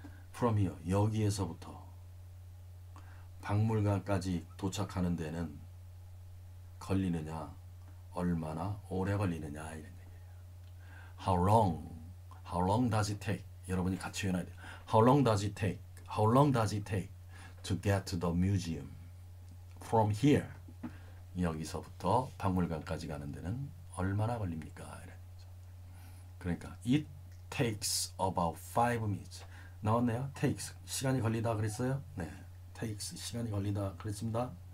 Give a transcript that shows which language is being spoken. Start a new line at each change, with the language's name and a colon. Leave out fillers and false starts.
English: From here,
Korean: 여기에서부터 박물관까지 도착하는 데는 걸리느냐, 얼마나 오래 걸리느냐, 이런 얘기예요.
English: How long does it take?
Korean: 여러분이 같이 외워야 돼요.
English: How long does it take? How long does it take to get to the museum? From here.
Korean: 여기서부터 박물관까지 가는 데는 얼마나 걸립니까? 이런 거죠. 그러니까
English: it takes about 5 minutes.
Korean: 나왔네요.
English: takes.
Korean: 시간이 걸리다 그랬어요? 네. takes. 시간이 걸리다 그랬습니다.